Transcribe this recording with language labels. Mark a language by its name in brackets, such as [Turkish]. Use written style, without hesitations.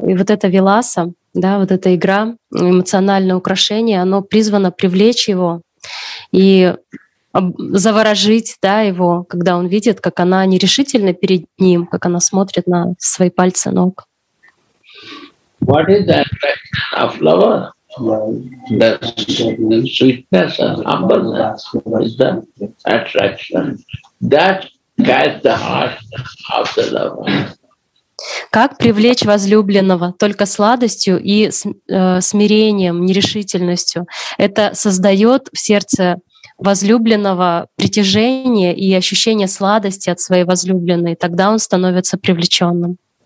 [Russian] И вот эта виласа, да, вот эта игра, эмоциональное украшение, оно призвано привлечь его и заворожить, да, его, когда он видит, как она нерешительна перед ним, как она смотрит на свои пальцы ног. [English] What is the attraction of love? The sweetness and humbleness is the attraction that gets the heart of the lover. [Russian] Как привлечь возлюбленного только сладостью и смирением, нерешительностью? Это создает в сердце возлюбленного притяжение и ощущение сладости от своей возлюбленной. Тогда он становится привлеченным.